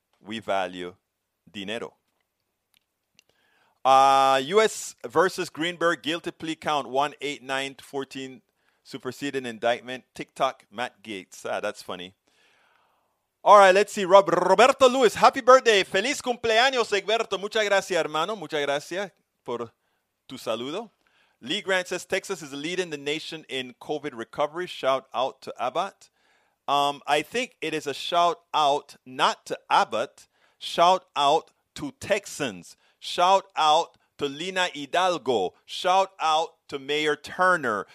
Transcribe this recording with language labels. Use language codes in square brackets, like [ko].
[en] We value dinero. U.S. versus Greenberg, guilty plea count 189-14, superseded indictment. TikTok, Matt Gaetz. Ah, that's funny. All right, let's see. Roberto Lewis, happy birthday. [es] Feliz cumpleaños, Egberto. Muchas gracias, hermano. Muchas gracias por tu saludo. [en] Lee Grant says, Texas is leading the nation in COVID recovery. Shout out to Abbott. I think it is a shout out, not to Abbott, shout out to Texans. Shout out to Lina Hidalgo. Shout out to Mayor Turner.